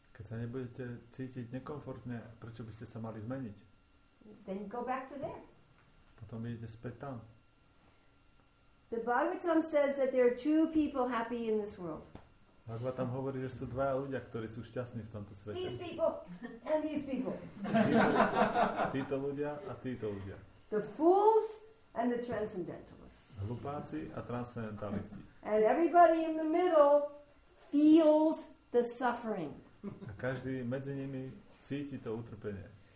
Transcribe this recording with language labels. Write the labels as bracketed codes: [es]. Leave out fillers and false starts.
[sk] Keď sa nebudete cítiť nekomfortne, prečo by ste sa mali zmeniť? [en] Then go back to there. [sk] Potom idete späť tam. [en] The Bhagavatam says that there are two people happy in this world. [sk] Bhagavatam hovorí, že sú dva ľudia, ktorí sú šťastní v tomto svete. [en] These people and these people. [sk] Títo ľudia a títo ľudia. [en] The fools and the transcendentalists. [sk] Hlupáci a transcendentalisti. [en] And everybody in the middle feels the suffering. [sk] A každý medzi nimi cíti to utrpenie.